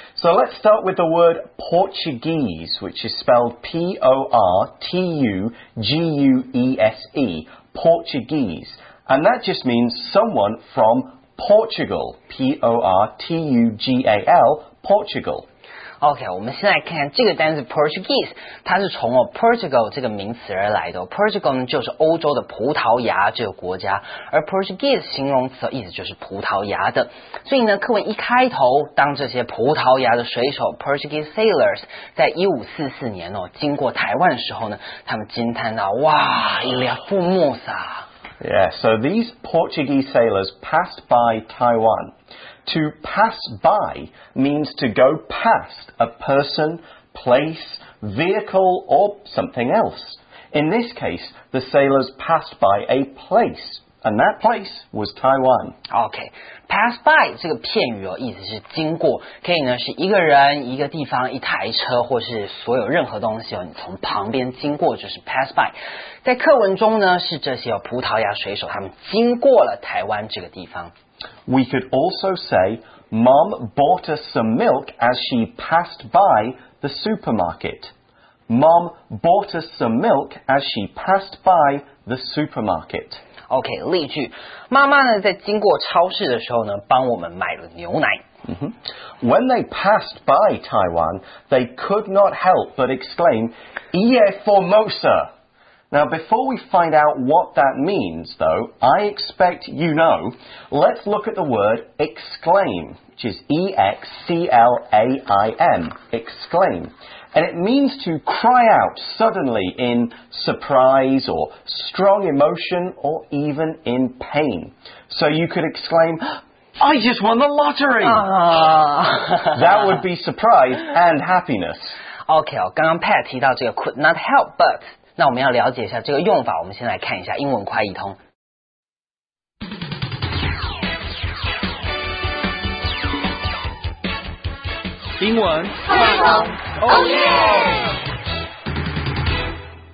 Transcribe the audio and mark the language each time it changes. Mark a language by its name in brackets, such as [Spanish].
[English] So let's start with the word Portuguese, which is spelled P-O-R-T-U-G-U-E-S-E, Portuguese. And that just means someone from Portugal, P-O-R-T-U-G-A-L, Portugal. [Chinese] OK, 我们先来看看这个单词 Portuguese, 它是从 Portugal 这个名词而来的。 Portugal 呢就是欧洲的葡萄牙这个国家，而 Portuguese 形容词的意思就是葡萄牙的。所以呢，课文一开头，当这些葡萄牙的水手 [English] Portuguese sailors [Chinese] 在1544年哦经过台湾的时候呢，他们惊叹到，哇 ,Ilha Formosa! [English] Yeah, so these Portuguese sailors passed by Taiwan. To pass by means to go past a person, place, vehicle, or something else. In this case, the sailors passed by a place, and that place was Taiwan. [Chinese] Okay, pass by 这个片语哦，意思是经过，可以呢是一个人、一个地方、一台车，或是所有任何东西哦，你从旁边经过就是 pass by。在课文中呢，是这些、葡萄牙水手他们经过了台湾这个地方。 [English] We could also say, Mom bought us some milk as she passed by the supermarket. Mom bought us some milk as she passed by the supermarket. [Chinese] OK, 例句。妈妈呢在经过超市的时候呢帮我们买了牛奶。 [English] When they passed by Taiwan, they could not help but exclaim, Ie Formosa! Now, before we find out what that means, though, I expect you know, let's look at the word exclaim, which is E-X-C-L-A-I-M, exclaim. And it means to cry out suddenly in surprise or strong emotion or even in pain. So you could exclaim, I just won the lottery! That would be surprise and happiness. [Chinese] Okay, 刚刚 Pat 提到这个 [English] could not help, but... [Chinese] 那我们要了解一下这个用法，我们先来看一下英文快译通。英文快译通 ， [English] Oh yeah！